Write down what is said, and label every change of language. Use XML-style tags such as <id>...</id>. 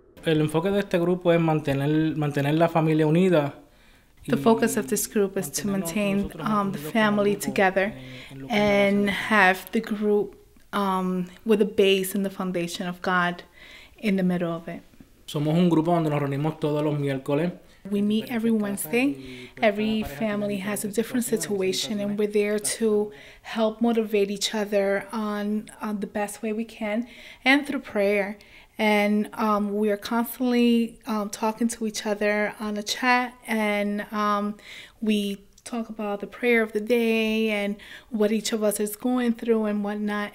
<en>The focus of this group is to maintain the family together and have the group with a base and the foundation of God in the middle of it.</en> <es>Somos un grupo donde nos reunimos todos los miércoles.</es> <en>We meet every Wednesday. Every family has a different situation, and we're there to help motivate each other on the best way we can and through prayer. And we are constantly talking to each other on a chat, and we talk about the prayer of the day and what each of us is going through and whatnot.</en>